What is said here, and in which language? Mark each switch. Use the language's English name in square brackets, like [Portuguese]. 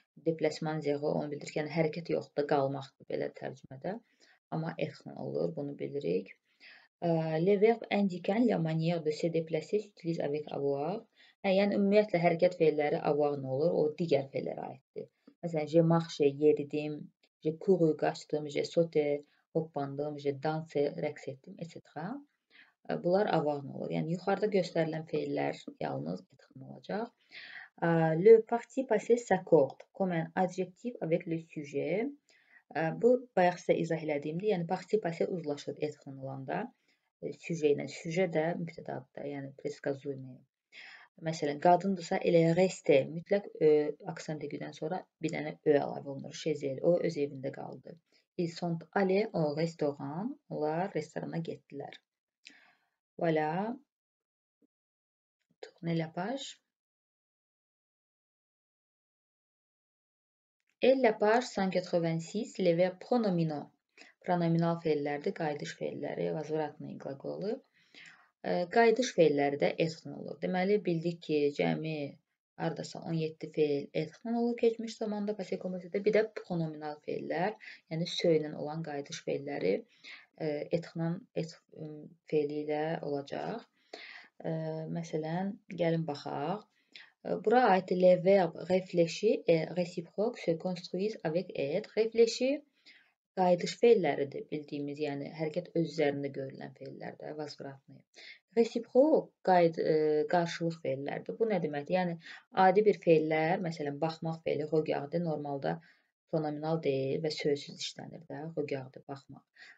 [Azerbaijani] Déplacement zéro onu bildirir ki, yəni hərəkət yoxdur, qalmaqdır belə tərcümədə. Amma être olur, bunu bilirik. [French] Le verbe indiquant la manière de se déplacer s'utilise avec avoir. [Azerbaijani] Yəni ümumiyyətlə hərəkət feilləri avoir olur, o digər feillərə aiddir. Məsələn, [French] je marche, [Azerbaijani] yeridim, [French] je couru, [Azerbaijani] qaçdım, [French] je saute, [Azerbaijani] hoppandım, [French] je danse, [Azerbaijani] rəqs etdim, etc. Bunlar avoir olur. Yəni, yuxarıda göstərilən feillər yalnız etqin olacaq. [French] Le parti passé s'accorde, comme un adjectif avec le sujet. [Azerbaijani] Bu, bayaq sizə izah elədiyimdir. Yəni, parti passé uzlaşır etqin olanda. Sujet ilə, sujet də müftədadır, yəni preskazuimi. Məsələn, qadındırsa, elə reste, mütləq aksent degüdən sonra bir dənə ö əlavə olunur, şezel, o öz evində qaldı. [French] Ils sont allés au restaurant, [Azerbaijani] onlar restorana getdilər. [French] Voilà, tourne la page. Et la page 186, le verbe pronomino. [Azerbaijani] Pronominal feillərdir, qaydış feilləri, [Russian] vazvratnı qlaqolu. [Azerbaijani] Qayıdış feilləri də etqin olur. Deməli, bildik ki, cəmi aradasa 17 feil etqin olur keçmiş zamanda. Bir də pronominal feillər, yəni söylənən olan qayıdış feilləri etqin feili ilə olacaq. Məsələn, gəlin baxaq. Bura aid [French] le verb réfléchir et réciproque se construise avec être. [Azerbaijani] Réfléchir qayıdış feilləridir bildiyimiz, yəni hərəkət öz üzərində görülən feillərdir, vazvratnı. Reciproq qarşılıq feillərdir. Bu nə deməkdir? Yəni, adi bir feillər, məsələn, baxmaq feili, regarder, normalda pronominal deyil və sözsüz işlənir də, regarder, baxmaq.